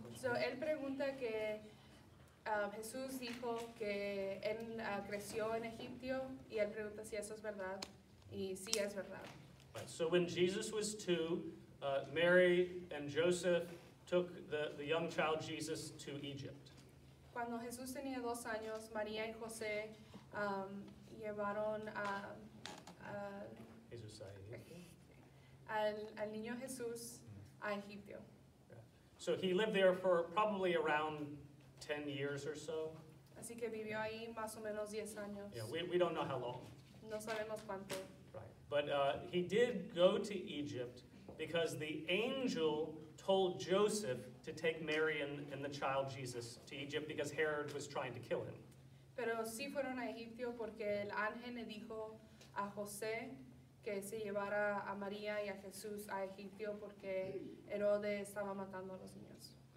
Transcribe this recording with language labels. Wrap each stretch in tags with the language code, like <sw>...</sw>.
<en>So</en> <es>él pregunta que Jesús dijo que él creció en Egipto, y él pregunta si eso es verdad, y sí es verdad.</es> <en>Right. So when Jesus was 2, Mary and Joseph took the young child Jesus to Egypt.</en> <es>Cuando Jesús tenía 2 años, María y José llevaron al niño Jesús.</es> <en>So he lived there for probably around 10 years or so.</en> <es>Así que vivió ahí más o menos 10 años.</es> <en>Yeah, we don't know how long.</en> <es>No sabemos cuánto.</es> <en>Right. But he did go to Egypt because the angel told Joseph to take Mary and the child Jesus to Egypt because Herod was trying to kill him.</en> <es>Pero sí fueron a Egipto porque el ángel le dijo a José que se llevara a María y a Jesús a Egipto porque Herodes estaba matando a los niños.</es>